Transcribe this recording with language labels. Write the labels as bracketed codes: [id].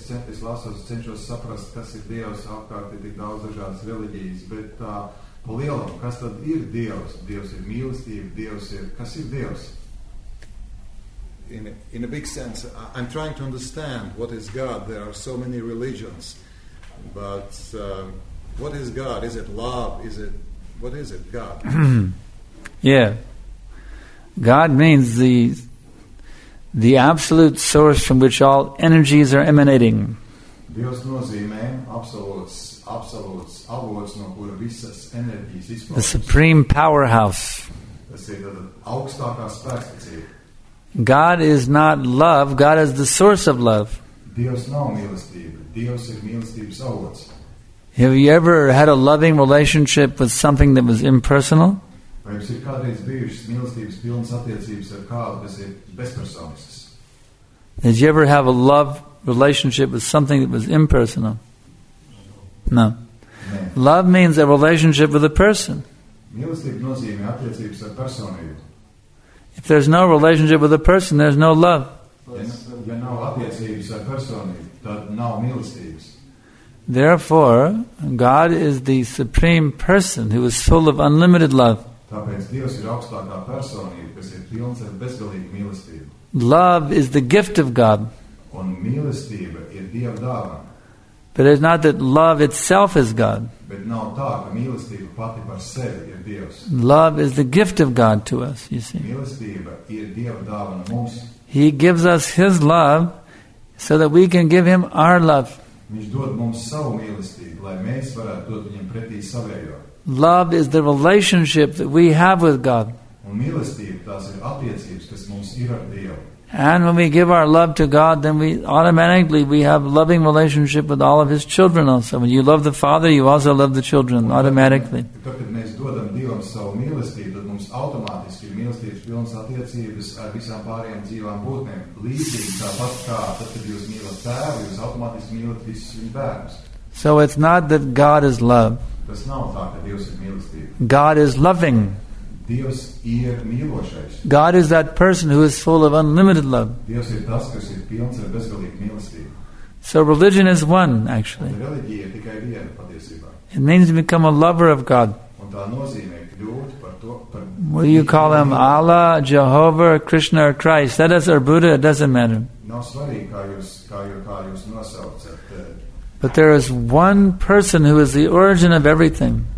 [lv] Es lasos, cenšos saprast, kas ir Dievs, apkārt ir tik daudz dažādas reliģijas, bet pa lielam, kas tad ir Dievs? Dievs ir mīlestība, Dievs ir, kas ir Dievs? [en] in a big sense, I'm trying to understand what is God. There are so many religions, but what is God? Is it love? Is it, what is it, God? Yeah. God means the absolute source from which all energies are emanating. [lv] Dievs nozīmē absolūts avots, no kura visas enerģijas izplūst. [en] The supreme powerhouse. [lv] Tas ir tad augstākā spēkstacija. [en] God is not love, God is the source of love. [lv] Dievs nav mīlestība, Dievs ir mīlestības avots. [en] Have you ever had a loving relationship with something that was impersonal? [lv] Vai jums ir kādreiz bijušas mīlestības pilnas attiecības ar kādu, kas ir bezpersonisks? [en] Did you ever have a love relationship with something that was impersonal? No. [lv] Nē. [en] Love means a relationship with a person. [lv] Mīlestība nozīmē attiecības ar personību. [en] If there's no relationship with a person, there's no love. [lv] Ja nav attiecības ar personību, tad nav mīlestības. [en] Therefore, God is the supreme person who is full of unlimited love. [lv] Tāpēc Dievs ir augstākā personība, kas ir pilns ar bezgalīgu mīlestību. [en] Love is the gift of God. [lv] Un mīlestība ir Dieva dāvana. [en] But it's not that love itself is God. [lv] Bet nav tā, ka mīlestība pati par sevi ir Dievs. [en] Love is the gift of God to us, you see. [lv] Mīlestība ir Dieva dāvana mums. [en] He gives us His love so that we can give Him our love. [lv] Viņš dod mums savu mīlestību, lai mēs varētu dot viņam pretī savējo. [en] Love is the relationship that we have with God. [lv] Un mīlestība tās ir attiecības, kas mums ir ar Dievu. [en] And when we give our love to God, then we automatically we have loving relationship with all of His children also. When you love the Father, you also love the children automatically. [lv] Tad mēs dodam Dievam savu mīlestību, tad mums automātiski ir mīlestības pilnas attiecības ar visām pārējām dzīvām būtnēm. Līdzīgi tāpat kā tad, kad jūs mīlat tēvu, jūs automātiski mīlat visus viņu bērnus. [en] So it's not that God is love. [lv] Tas nav tā, ka Dievs ir mīlestība. [en] God is loving. [lv] Dievs ir mīlošais. [en] God is that person who is full of unlimited love. [lv] Dievs ir tas, kas ir pilns ar bezgalīgu mīlestību. [en] So religion is one, actually. [lv] Un reliģija ir tikai viena patiesībā. [en] It means to become a lover of God. [lv] Un tā nozīmē kļūt par to, par [en] what do you call them? Allah, Jehovah, Krishna, or Christ? That is our Buddha, it doesn't matter. [lv] Nav svarīgi, kā jūs nosaucat. [en] But there is one person who is the origin of everything.